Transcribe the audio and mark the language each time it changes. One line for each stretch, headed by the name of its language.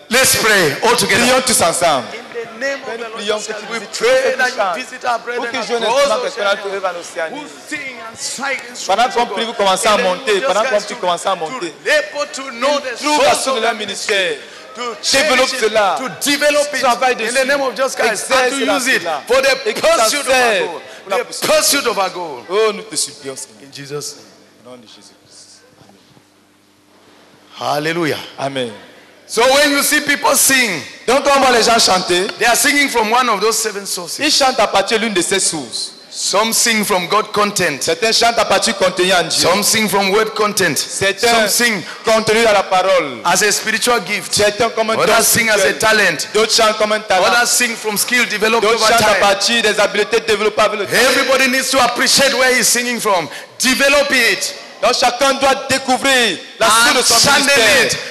English: Let's pray all together.
French: Prions tous ensemble.
English: In the name of the Lord Jesus, we pray that you visit our brethren who sing and strike instruments.
French: Pendant que vous commencez à monter, pendant que vous commencez à monter,
English: to know the source of the ministry, to develop it, to develop it, in the name of Jesus Christ, and to use it for the pursuit of our goal. The pursuit of our goal.
French: Oh, nous te supplions,
English: in Jesus' name. In the name of Jesus Christ. Amen. Hallelujah. Amen. So when you see people sing,
French: donc quand on voit les gens chanter,
English: they are singing from one of those seven sources.
French: Ils chantent à partir l'une de ces sources.
English: Some sing from God content.
French: Certains chantent à partir du contenu en Dieu.
English: Some sing from word content.
French: Certains
English: some sing
French: contenu à la parole.
English: As a spiritual gift.
French: Certains comme un
English: don. Others sing as a talent.
French: D'autres chantent comme un talent.
English: Others sing from skill developed
French: d'autres
English: over time.
French: D'autres chantent à partir des habiletés développées avec le temps.
English: Everybody needs to appreciate where he's singing from. Develop it.
French: Donc chacun doit découvrir la source de son ministère